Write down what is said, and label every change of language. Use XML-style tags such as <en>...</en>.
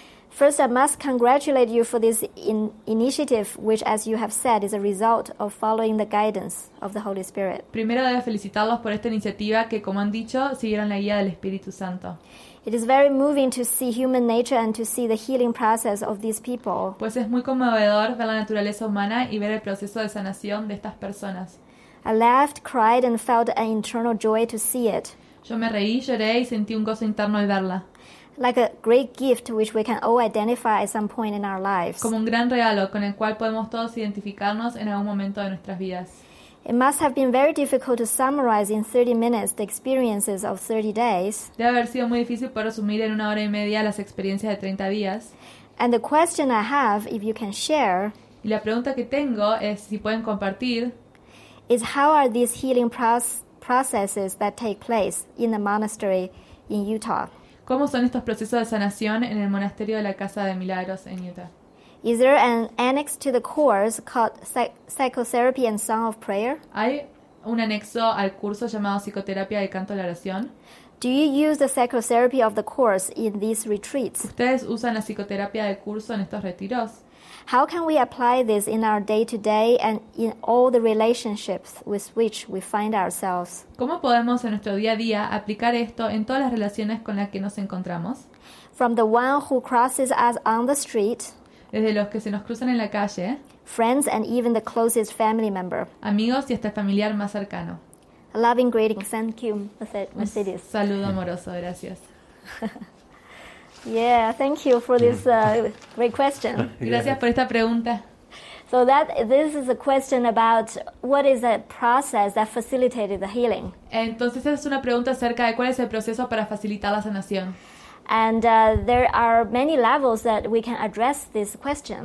<en>First, I must congratulate you for this initiative, which, as you have said, is a result of following the guidance of the Holy Spirit.</en> <es>Primero debo felicitarlos por esta iniciativa que, como han dicho, siguieron la guía del Espíritu Santo.</es> <en>It is very moving to see human nature and to see the healing process of these people.</en> <es>Pues es muy conmovedor ver la naturaleza humana y ver el proceso de sanación de estas personas.</es> <en>I laughed, cried, and felt an internal joy to see it.</en> <es>Yo me reí, lloré y sentí un gozo interno al verla.</es> <en>Like a great gift which we can all identify at some point in our lives.</en> <es>Como un gran regalo con el cual podemos todos identificarnos en algún momento de nuestras vidas.</es> <en>It must have been very difficult to summarize in 30 minutes the experiences of 30 days.</en> <es>Debe haber sido muy difícil para resumir en una hora y media las experiencias de 30 días.</es> <en>And the question I have, if you can share.</en> <es>Y la pregunta que tengo es si pueden compartir.</es> <en>Is how are these healing processes that take place in the monastery in Utah?</en> <es>¿Cómo son estos procesos de sanación en el monasterio de la Casa de Milagros en Utah?</es> <en>Is there an annex to the course called Psychotherapy and Song of Prayer?</en> <es>¿Hay un anexo al curso llamado Psicoterapia de Canto de la Oración?</es> <en>Do you use the psychotherapy of the course in these retreats?</en> <es>¿Ustedes usan la psicoterapia del curso en estos retiros?</es> <en>How can we apply this in our day-to-day and in all the relationships with which we find ourselves?</en> <es>¿Cómo podemos en nuestro día a día aplicar esto en todas las relaciones con las que nos encontramos?</es> <en>From the one who crosses us on the street.</en> <es>Desde los que se nos cruzan en la calle.</es> <en>Friends and even the closest family member.</en> <es>Amigos y hasta el familiar más cercano.</es> <en>A loving greeting. Thank you, Mercedes.</en> <es>Un saludo amoroso. Gracias.</es> <en>Yeah, thank you for this great question.</en> <es>Gracias por esta pregunta.</es> <en>So this is a question about what is the process that facilitated the healing.</en> <es>Entonces es una pregunta acerca de cuál es el proceso para facilitar la sanación.</es> <en>And there are many levels that we can address this question.</en>